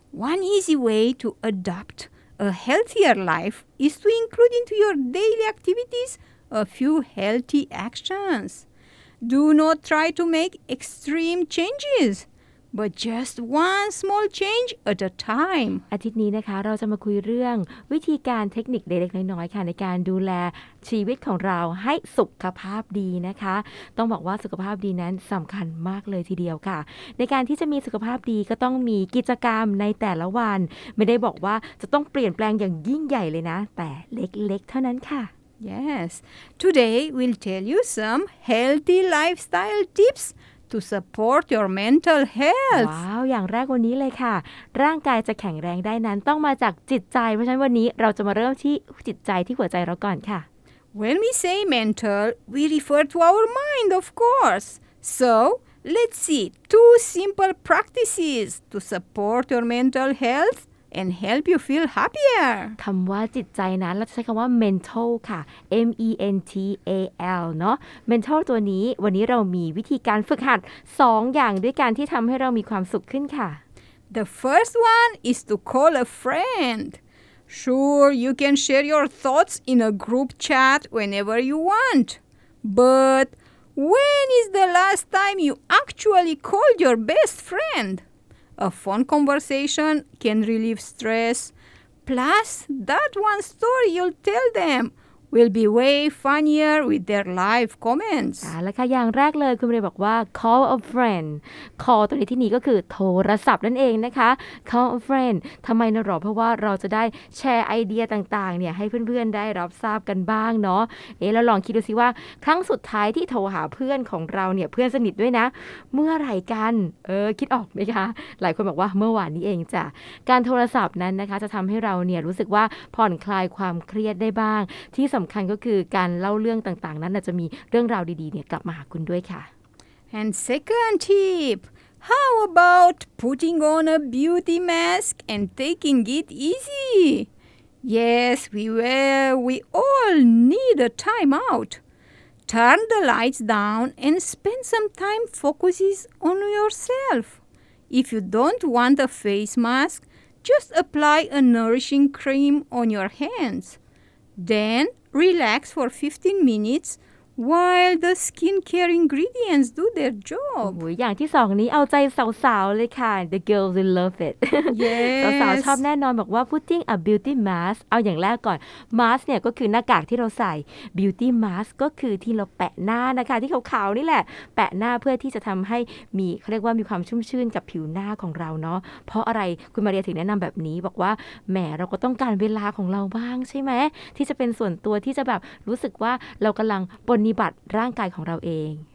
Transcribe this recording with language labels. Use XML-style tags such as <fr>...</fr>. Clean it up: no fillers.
<en>One easy way to adopt a healthier life is to include into your daily activities a few healthy actions. Do not try to make extreme changes, but just one small change at a time.</en> <th>อาทิตย์นี้นะคะเราจะมาคุยเรื่องวิธีการเทคนิคเล็กๆน้อยๆค่ะในการดูแลชีวิตของเราให้สุขภาพดีนะคะต้องบอกว่าสุขภาพดีนั้นสำคัญมากเลยทีเดียวค่ะในการที่จะมีสุขภาพดีก็ต้องมีกิจกรรมในแต่ละวันไม่ได้บอกว่าจะต้องเปลี่ยนแปลงอย่างยิ่งใหญ่เลยนะแต่เล็กๆเท่านั้นค่ะ</th> <en>Yes today we'll tell you some healthy lifestyle tips to support your mental health</en> <th>ว้าวอย่างแรกวันนี้เลยค่ะร่างกายจะแข็งแรงได้นั้นต้องมาจากจิตใจเพราะฉะนั้นวันนี้เราจะมาเริ่มที่จิตใจที่หัวใจเราก่อนค่ะ</th> <en>When we say mental we refer to our mind of course so let's see two simple practices to support your mental healthand help you feel happier</en> <th>คำว่าจิตใจนั้นเราจะใช้คำว่า mental ค่ะ mental เนาะ mental ตัวนี้วันนี้เรามีวิธีการฝึกหัด2 อย่างด้วยการที่ทำให้เรามีความสุขขึ้นค่ะ</th> <en>The first one is to call a friend Sure you can share your thoughts in a group chat whenever you want but when is the last time you actually called your best friendA phone conversation can relieve stress. Plus, that one story you'll tell them will be way funnier with their live comments.</en> <th>แล้วค่ะอย่างแรกเลยคุณเรย์บอกว่า</th> <en>call a friend.</en> <th>call ตัวนี้ที่นี้ก็คือโทรศัพท์นั่นเองนะคะ call a friend. ทำไมนะหรอเพราะว่าเราจะได้แชร์ไอเดียต่างๆเนี่ยให้เพื่อนๆได้รับทราบกันบ้างเนาะเอ๊ะแล้วลองคิดดูสิว่าครั้งสุดท้ายที่โทรหาเพื่อนของเราเนี่ยเพื่อนสนิทด้วยนะเมื่อไหร่กันคิดออกไหมคะหลายคนบอกว่าเมื่อวานนี้เองจ้ะการโทรศัพท์นั้นนะคะจะทำให้เราเนี่ยรู้สึกว่าผ่อนคลายความเครียดได้บ้างที่สำคัญก็คือการเล่าเรื่องต่างๆนั้นจะมีเรื่องราวดีๆเนี่ยกลับมาหาคุณด้วยค่ะ</th> <en>And second tip How about putting on a beauty mask and taking it easy? Yes, we all need a time out. Turn the lights down and spend some time focusing on yourself. If you don't want a face mask, just apply a nourishing cream on your hands. Then relax for 15 minutes while the skincare ingredients do their job.</en> <th>อย่างที่สองนี้เอาใจสาวๆเลยค่ะ</th> <en>The girls will love it. Yes.</en> <th>สาวๆชอบแน่นอนบอกว่า</th> <en>putting a beauty mask</en> <th>เอาอย่างแรกก่อน mask เนี่ยก็คือหน้ากากที่เราใส่ beauty mask ก็คือที่เราแปะหน้านะคะที่ขาวๆนี่แหละแปะหน้าเพื่อที่จะทำให้มีเขาเรียกว่ามีความชุ่มชื่นกับผิวหน้าของเราเนาะเพราะอะไรคุณมาเรียถึงแนะนำแบบนี้บอกว่าแหมเราก็ต้องการเวลาของเราบ้างใช่ไหมที่จะเป็นส่วนตัวที่จะแบบรู้สึกว่าเรากำลังปนบัตรร่างกายของเราเอง</th>